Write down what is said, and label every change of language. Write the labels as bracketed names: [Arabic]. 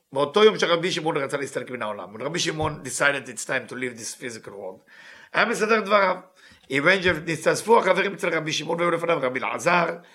[Hebrew] באותו יום שרבי שמעון רצה להסתלק מן העולם. [English] רבי שמעון decided it's time to leave this physical world. [Hebrew] היה מסדר דבריו. He went and נתאספו החברים אצל רבי שמעון והיו לפניו רבי אלעזר.